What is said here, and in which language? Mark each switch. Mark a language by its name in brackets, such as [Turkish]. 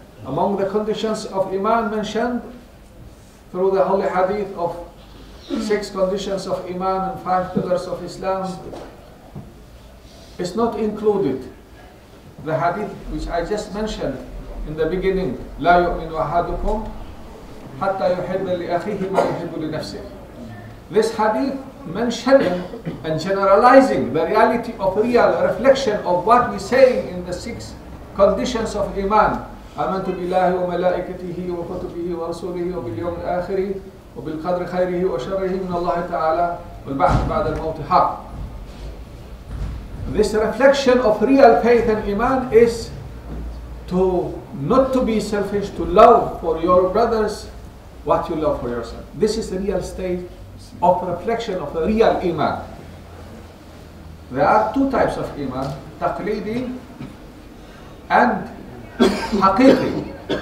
[English] Among the conditions of Iman mentioned through the holy hadith of six conditions of Iman and five pillars of Islam, is not included the hadith which I just mentioned in the beginning, [Arabic] لا يؤمن أحدكم حتى يحب لأخيه ما يحب لنفسه. [English] This hadith mentioning and generalizing the reality of real reflection of what we say in the six conditions of Iman. [Arabic] آمنت بالله وملائكته وكتبه ورسوله وباليوم الآخر وبالقدر خيره وشره من الله تعالى والبعث بعد الموت حق. [English] This reflection of real faith and Iman is to not to be selfish, to love for your brothers what you love for yourself. This is the real state of reflection of a real Iman. There are two types of Iman, taqlidi and haqiqi.